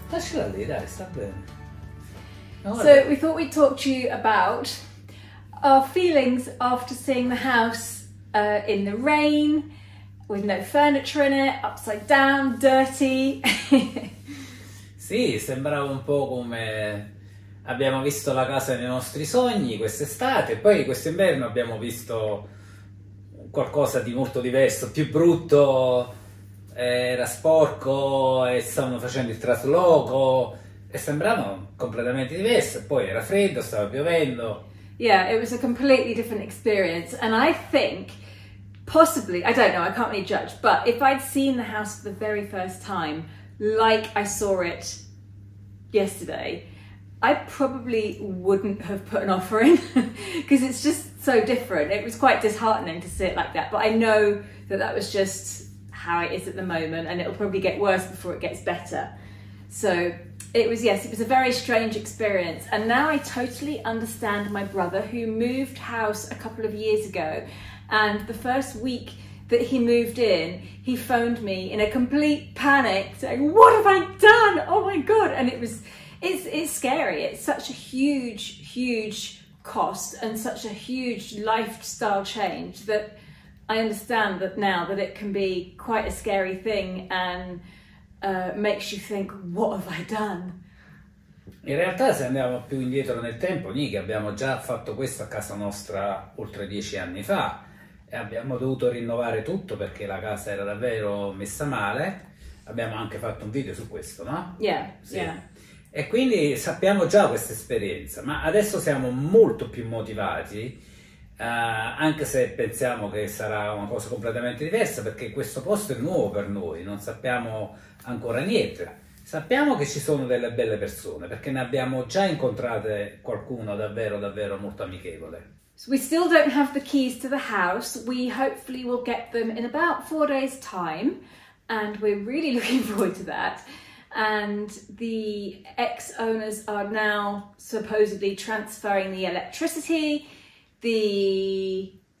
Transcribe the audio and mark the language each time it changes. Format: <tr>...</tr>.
<en>So we thought we'd talk to you about our feelings after seeing the house in the rain, with no furniture in it, upside down, dirty.</en> <it>Sì, sembrava un po' come abbiamo visto la casa dei nostri sogni quest'estate, poi questo inverno abbiamo visto qualcosa di molto diverso, più brutto, era sporco e stavano facendo il trasloco e sembrava completamente diverso, poi era freddo, stava piovendo.</it> <en>Yeah, it was a completely different experience and I think possibly, I don't know, I can't really judge, but if I'd seen the house for the very first time, like I saw it yesterday, I probably wouldn't have put an offer in because it's just so different. It was quite disheartening to see it like that. But I know that that was just how it is at the moment and it'll probably get worse before it gets better. So it was, yes, it was a very strange experience. And now I totally understand my brother who moved house a couple of years ago. And the first week that he moved in, he phoned me in a complete panic saying, what have I done? Oh my God. And it was, it's scary. It's such a huge, huge cost and such a huge lifestyle change that I understand that now that it can be quite a scary thing and makes you think, what have I done?</en> <it>In realtà, se andiamo più indietro nel tempo, Nicki, abbiamo già fatto questo a casa nostra oltre 10 anni fa e abbiamo dovuto rinnovare tutto perché la casa era davvero messa male. Abbiamo anche fatto un video su questo, no?</it> <en>Yeah.</en> <it>E quindi sappiamo già questa esperienza, ma adesso siamo molto più motivati, anche se pensiamo che sarà una cosa completamente diversa, perché questo posto è nuovo per noi, non sappiamo ancora niente. Sappiamo che ci sono delle belle persone, perché ne abbiamo già incontrate qualcuno davvero, davvero molto amichevole.</it> <en>So we still don't have the keys to the house. We hopefully will get them in about 4 days' time, and we're really looking forward to that. And the ex-owners are now supposedly transferring the electricity, the</en>